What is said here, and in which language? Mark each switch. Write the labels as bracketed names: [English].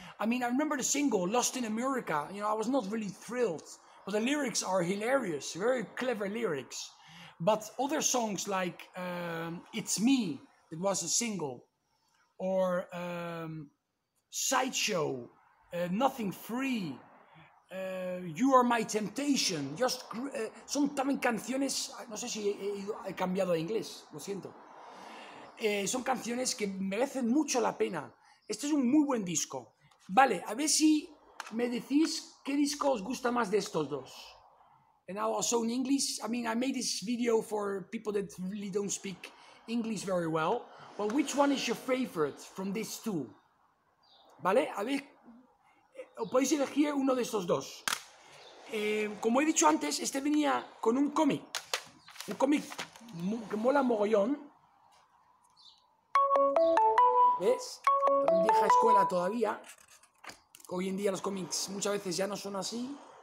[English] I mean, I remember the single Lost in America, you know, I was not really thrilled, but the lyrics are hilarious, very clever lyrics. But other songs like It's Me, it was a single, or Sideshow, Nothing Free, You Are My Temptation. [Spanish] Just, son también canciones, no sé si he cambiado a inglés, lo siento. Son canciones que merecen mucho la pena. Este es un muy buen disco. Vale, a ver si me decís qué disco os gusta más de estos dos. [English] And now also in English, I mean, I made this video for people that really don't speak English very well. But which one is your favorite from these two? [Spanish] ¿Vale? A ver, podéis elegir uno de estos dos. Como he dicho antes, este venía con un cómic. Un cómic que mola mogollón. ¿Ves? Una vieja escuela todavía. Hoy en día los cómics muchas veces ya no son así.